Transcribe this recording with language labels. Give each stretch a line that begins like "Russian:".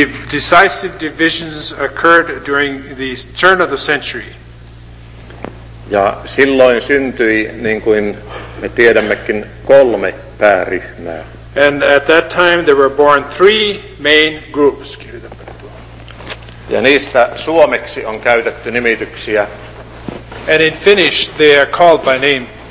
English: Decisive divisions occurred during the turn of the century.
Finnish: Ja silloin syntyi, niin kuin me tiedämmekin, kolme pääryhmää.
English: And at that time there were born three main groups.
Finnish: Ja niistä suomeksi on käytetty nimityksiä.
English: And in Finnish they are called by name.